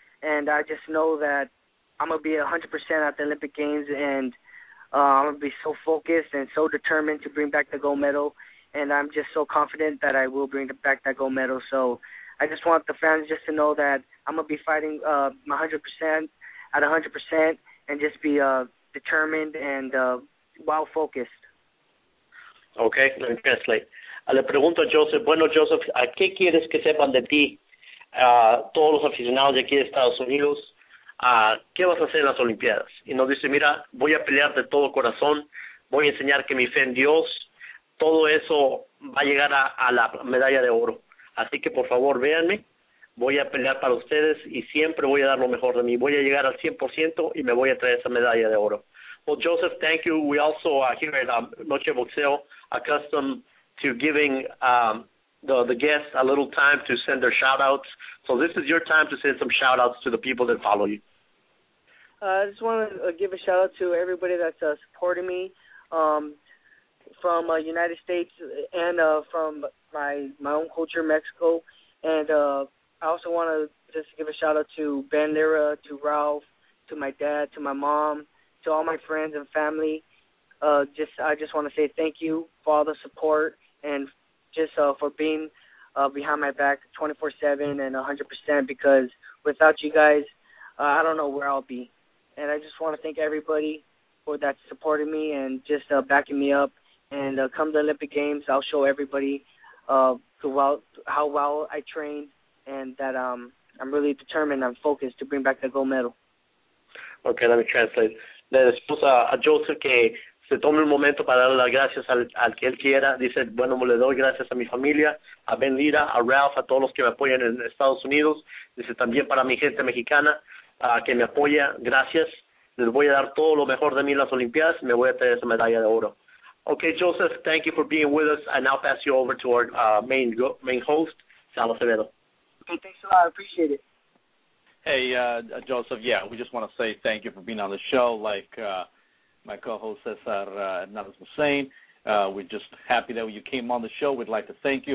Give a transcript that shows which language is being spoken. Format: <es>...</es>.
<en>And I just know that I'm going to be 100% at the Olympic Games, and I'm going to be so focused and so determined to bring back the gold medal. And I'm just so confident that I will bring back that gold medal. So I just want the fans just to know that I'm going to be fighting my 100% at 100% and just be determined and wild focused. Okay, let me translate.</en> <es>Le pregunto a Joseph, bueno, Joseph, ¿a qué quieres que sepan de ti todos los aficionados de aquí de Estados Unidos? ¿Qué vas a hacer en las Olimpiadas? Y nos dice, mira, voy a pelear de todo corazón, voy a enseñar que mi fe en Dios, todo eso va a llegar a la medalla de oro. Así que, por favor, véanme, voy a pelear para ustedes y siempre voy a dar lo mejor de mí. Voy a llegar al 100% y me voy a traer esa medalla de oro.</es> <en>Well, Joseph, thank you. We also here at Noche Boxeo accustomed to giving the guests a little time to send their shout-outs. So this is your time to send some shout-outs to the people that follow you. I just want to give a shout-out to everybody that's supporting me from the United States and from my own culture, Mexico. And I also want to just give a shout-out to Ben Lira, to Ralph, to my dad, to my mom, to all my friends and family. I just want to say thank you for all the support and just for being behind my back 24/7 and 100%, because without you guys, I don't know where I'll be. And I just want to thank everybody for that supporting me and just backing me up. And come the Olympic Games, I'll show everybody how well I trained and that I'm really determined, I'm focused to bring back the gold medal. Okay, let me translate.</en> <es>Le expuso a Joseph que se tome un momento para darle las gracias al que él quiera. Dice, bueno, le doy gracias a mi familia, a Ben Lira, a Ralph, a todos los que me apoyan en Estados Unidos. Dice, también para mi gente mexicana que me apoya, gracias. Les voy a dar todo lo mejor de mí en las Olimpiadas y me voy a traer esa medalla de oro.</es> <en>Okay, Joseph, thank you for being with us. I now pass you over to our main host, Sal Acevedo. Okay, thanks a lot. I appreciate it. Hey, Joseph, yeah, we just want to say thank you for being on the show. My co-host Cesar Hernandez Hussein, we're just happy that you came on the show. We'd like to thank you.</en>